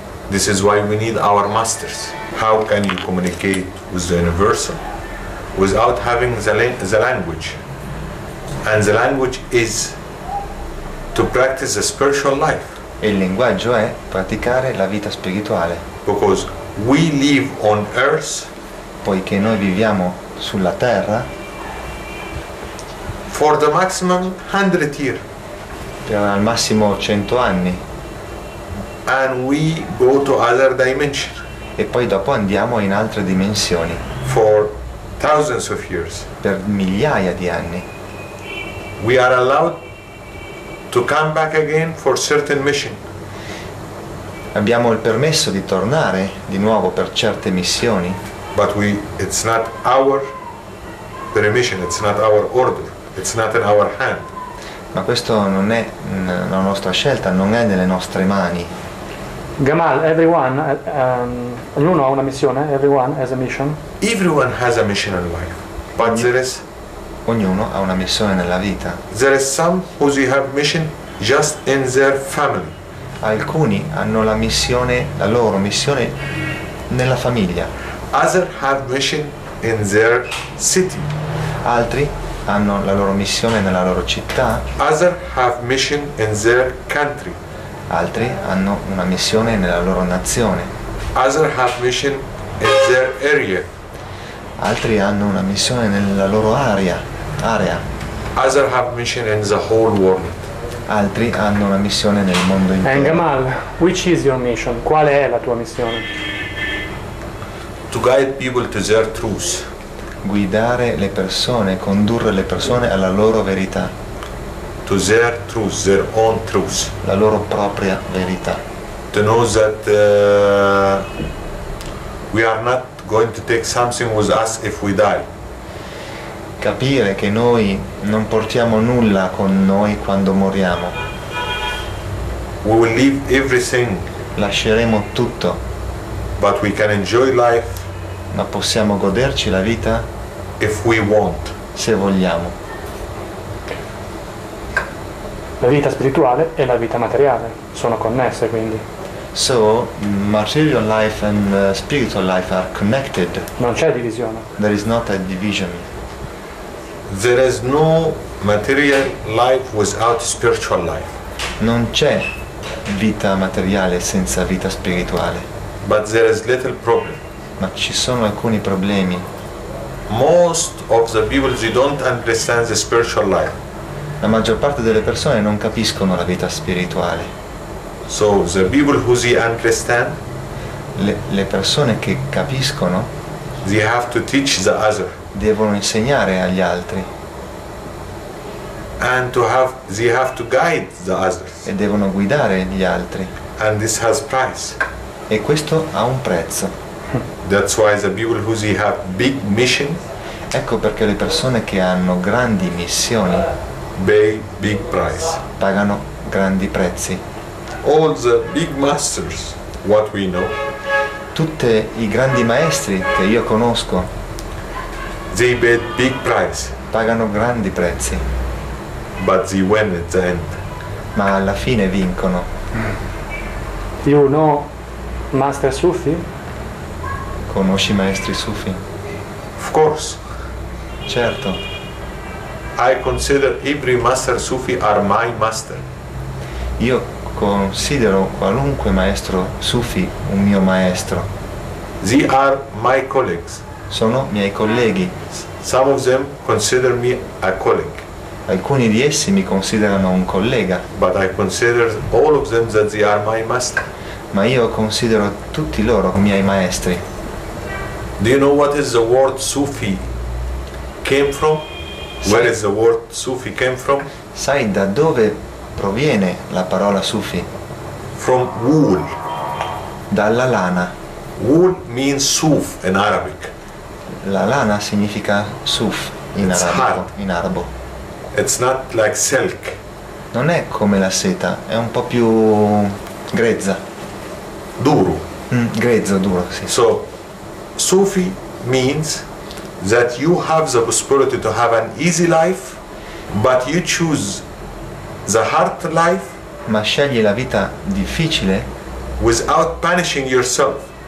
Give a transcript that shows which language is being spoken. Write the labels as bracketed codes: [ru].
[en] This is why we need our masters. How can you communicate with the universal without having the language? And the language is to practice the spiritual life. [it] E il linguaggio è praticare la vita spirituale. [en] Because we live on earth, [it] poiché noi viviamo sulla terra, [en] for the maximum 100 years, [it] per al massimo 100 anni, [en] and we go to other dimension, [it] e poi dopo andiamo in altre dimensioni, [en] for thousands of years, [it] per migliaia di anni. [en] We are allowed to come back again for certain mission. [it] Abbiamo il permesso di tornare di nuovo per certe missioni. [en] But we, it's not our permission, it's not our order, it's not in our hand. [it] Ma questo non è la nostra scelta, non è nelle nostre mani. [en] Gamal, everyone, [it] ognuno ha una missione, [en] everyone has a mission. Everyone has a mission in life, but there is. [it] Ognuno ha una missione nella vita. [en] There is some who have mission just in their family. [it] Alcuni hanno la missione, la loro missione nella famiglia. [en] Others have mission in their city. [it] Altri hanno la loro missione nella loro città. [en] Others have mission in their country. [it] Altri hanno una missione nella loro nazione. [en] Others have mission in their area. [it] Altri hanno una missione nella loro area. [en] Others have mission in the whole world. [it] Altri hanno una missione nel mondo intero. [en] And Gamal, which is your mission? [it] Qual è la tua missione? [en] To guide people to their truth. [it] Guidare le persone, condurre le persone alla loro verità. [en] To their truth, their own truth. [it] La loro propria verità. [en] To know that we are not going to take something with us if we die. [it] Capire che noi non portiamo nulla con noi quando moriamo. [en] We will leave everything, [it] lasceremo tutto, [en] but we can enjoy life, [it] ma possiamo goderci la vita, [en] if we want, [it] se vogliamo. La vita spirituale e la vita materiale sono connesse, quindi. [en] So, material life and spiritual life are connected. [it] Non c'è divisione. [en] There is not a division. There is no material life without spiritual life. [it] Non c'è vita materiale senza vita spirituale. [en] But there is little problem. [it] Ma ci sono alcuni problemi. [en] Most of the people, they don't understand the spiritual life. [it] La maggior parte delle persone non capiscono la vita spirituale. [en] So the people who they understand, [it] le persone che capiscono, [en] they have to teach the other. [it] Devono insegnare agli altri. [en] And to have, they have to guide the others. [it] E devono guidare gli altri. [en] And this has price. [it] E questo ha un prezzo. [en] That's why the people who they have big mission. [it] Ecco perché le persone che hanno grandi missioni [en] pay big price. [it] Pagano grandi prezzi. [en] All the big masters, what we know. [it] Tutti i grandi maestri che io conosco. [en] They paid big price. [it] Pagano grandi prezzi. [en] But they win at the end. [it] Ma alla fine vincono. [en] You know Master Sufi? [it] Conosci maestri Sufi? [en] Of course. [it] Certo. [en] I consider every Master Sufi are my master. [it] Io considero qualunque maestro Sufi un mio maestro. [en] They are my colleagues. [it] Sono miei colleghi. [en] Some of them consider me a colleague. [it] Alcuni di essi mi considerano un collega. [en] But I consider all of them that they are my master. [it] Ma io considero tutti loro miei maestri. [en] Do you know what is the word Sufi came from? [it] Sai, [en] where is the word Sufi came from? [it] Sai da dove proviene la parola Sufi? [en] From wool. [it] Dalla lana. [en] Wool means suf in Arabic. [it] La lana significa suf in [en] it's [it] arabo. [en] Hard. [it] In arabo. [en] It's not like silk. [it] Non è come la seta, è un po' più grezza. Duro. Grezzo, duro, sì. [en] So Sufi means that you have the possibility to have an easy life, but you choose the hard life. [it] Ma scegli la vita difficile [en] without punishing yourself.